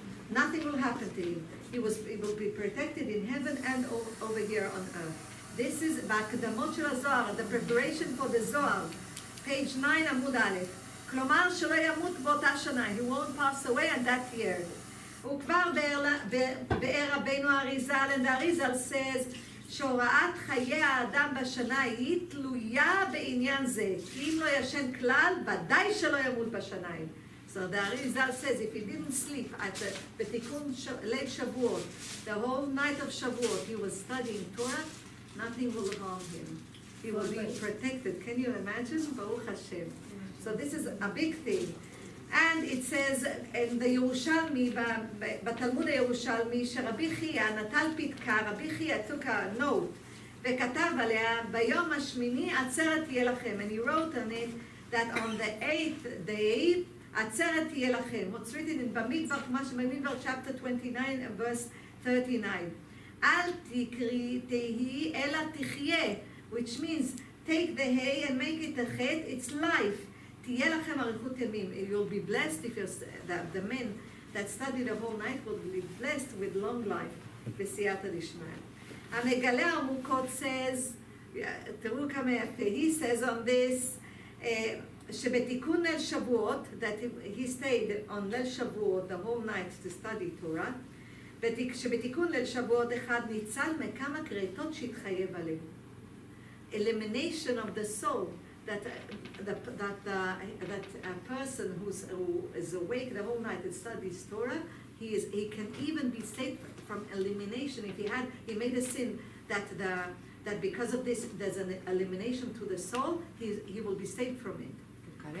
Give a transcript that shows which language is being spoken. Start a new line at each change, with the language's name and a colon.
English: Nothing will happen to him. He will be protected in heaven and over here on earth. This is ba'kedamot shel ha-zohar, the preparation for the Zohar, page 9, Amud Aleph.
Hebrew: Klomar shelo yamut b'ota shana,
English: he won't pass away in that year.
Hebrew: Ukvar be'er Rabbeinu Arizal,
English: and Arizal says,
Hebrew: שהוראת חיי האדם בשנה היא תלויה בעניין זה. אם לא ישן כלל, ודאי שלא ימות בשנה.
English: So the Arizal says, if he didn't sleep at the
Hebrew: בתיקון ליל שבועות,
English: the whole night of Shavuot, he was studying Torah, nothing will harm him. He will be protected. Can you imagine?
Hebrew: ברוך השם.
English: So this is a big thing. And it says in the Yerushalmi,
Hebrew: בתלמוד הירושלמי, שרבי חייה נטל פתקה, רבי חייה
English: took a note,
Hebrew: וכתב עליה, ביום השמיני עצרת תהיה לכם.
English: And he wrote on it that on the eighth day,
Hebrew: עצרת תהיה לכם.
English: What's written in
Hebrew: במדבר, כמו שבמדבר,
English: chapter 29, verse 39.
Hebrew: אל תקרי תהי, אלא תחיה,
English: which means take the hay and make it a chet, it's life.
Hebrew: תהיה לכם אריכות ימים.
English: It will be blessed if the men that studied the whole night will be blessed with long life.
Hebrew: בסייעתא דשמיא. המגלה עמוקות says, תראו כמה יפה,
English: he says on this,
Hebrew: שבתיקון ליל שבועות,
English: that he stayed on
Hebrew: ליל שבועות
English: the whole night to study Torah,
Hebrew: שבתיקון ליל שבועות אחד ניצל מכמה קריטות שהתחייב עליהם.
English: Elimination of the soul. That a person who is awake the whole night and studies Torah, he can even be saved from elimination. If he made a sin that because of this there's an elimination to the soul, he will be saved from it. Okay.